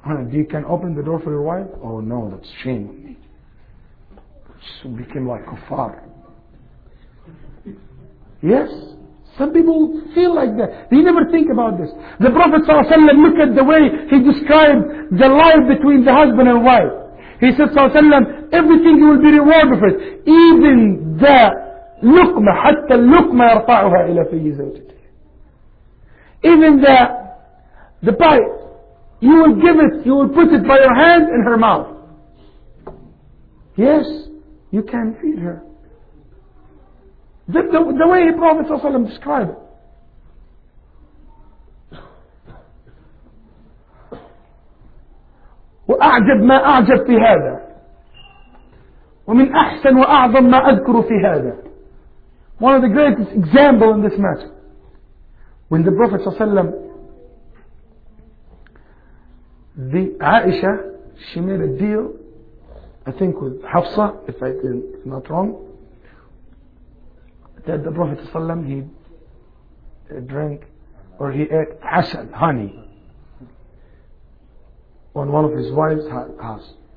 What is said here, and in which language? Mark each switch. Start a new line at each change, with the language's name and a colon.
English: You can open the door for your wife? Oh no, that's shame on me. She became like kuffar. Yes? Some people feel like that. They never think about this. The Prophet ﷺ, look at the way he described the life between the husband and wife. He said, ﷺ, everything you will be rewarded for it. Even the
Arabic: luqma, حتى اللقمة يرفعها إلى في زوجته.
English: Even the bite, you will give it, you will put it by your hand in her mouth. Yes, you can feed her. The way the Prophet ﷺ described it.
Arabic: وأعجب ما أعجب في هذا ومن أحسن وأعظم ما أذكر في هذا.
English: One of the greatest examples in this matter. When the Prophet ﷺ, the Aisha, she made a deal, I think with Hafsa, if I'm not wrong, that the Prophet ﷺ, he drank or he ate asal, honey, on one of his wife's house.